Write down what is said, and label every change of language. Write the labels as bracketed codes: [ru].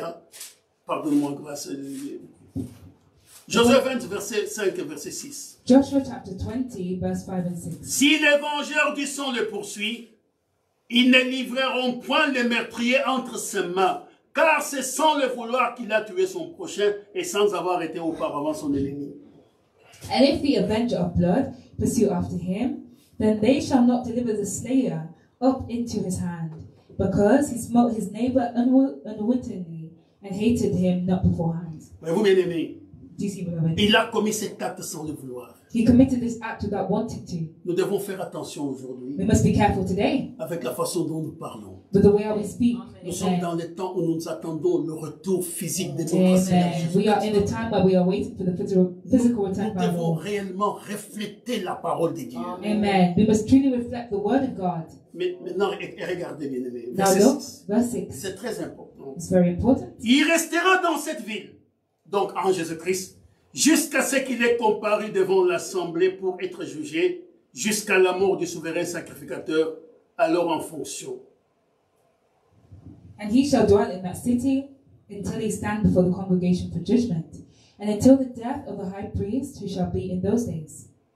[fr] Hein? Pardonne-moi, grâce. Josué 20, verset 5 et verset 6. [en] Joshua chapter 20, verse 5 and 6. [fr] Si les vengeurs du sang le poursuivent, ils ne livreront point le meurtrier entre ses mains, car c'est sans le vouloir qu'il a tué son prochain et sans avoir été auparavant son ennemi. [en] And if the avenger of blood pursue after him, then they shall not deliver the slayer up into his hand, because he smote his neighbor unwittingly and hated him not beforehand. [fr] Mais vous, bien-aimé, [en] do you see, beloved? [fr] Il a commis cet acte sans le vouloir. [en] He committed this act without wanting to. [fr] Nous devons faire attention aujourd'hui. [en] We must be careful today. [fr] Avec la façon dont nous parlons. [en] With the way we speak. Amen. [fr] Nous sommes dans le temps où nous attendons le retour physique de notre Seigneur Jésus. [en] We are in the time where we are waiting for the physical return. [fr] Nous devons réellement refléter la parole de Dieu. [en] Amen. We must truly reflect the word of God. [fr] Mais maintenant, regardez bien aimé. [en] Now look, verse 6. [fr] C'est très important. [en] It's very important. [fr] Il restera dans cette ville, donc en Jésus Christ. Jusqu'à ce qu'il ait comparu devant l'assemblée pour être jugé, jusqu'à la mort du souverain sacrificateur, alors en fonction. [en] And he shall dwell in that city until he stand before the congregation for judgment, and until the death of the high priest who shall be in those days.